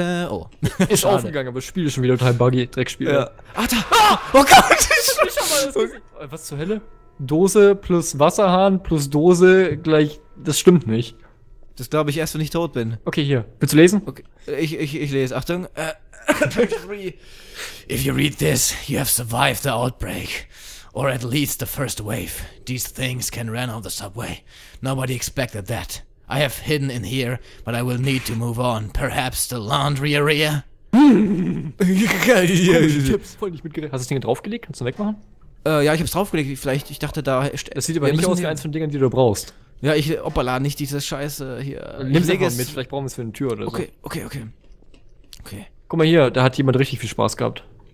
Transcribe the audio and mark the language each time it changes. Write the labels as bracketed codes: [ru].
[de] Oh. Ist aufgegangen, aber das Spiel ist schon wieder total buggy. Dreckspiel. Ach, da. Oh Gott, ich hab alles gesehen. Was zur Hölle? Dose plus Wasserhahn plus Dose gleich, das stimmt nicht. Das glaube ich erst, wenn ich tot bin. Okay, hier. Willst du lesen? Okay. Ich lese. Achtung. [en] If you read this, you have survived the outbreak. Or at least the first wave. These things can run on the subway. Nobody expected that. I have hidden in here, but I will need to move on. Perhaps the laundry area? [de] Ich hab's voll nicht mitgerechnet. Hast du das Ding draufgelegt? Kannst du wegmachen? Ja, ich hab's draufgelegt, vielleicht, ich dachte da... Das sieht aber nicht aus wie eins von den Dingern, die du brauchst. Ja, ich, hoppala, nicht dieses Scheiße hier. Nimm's einfach mit, vielleicht brauchen wir es für eine Tür oder okay, so. Okay, okay, okay. Guck mal hier, da hat jemand richtig viel Spaß gehabt.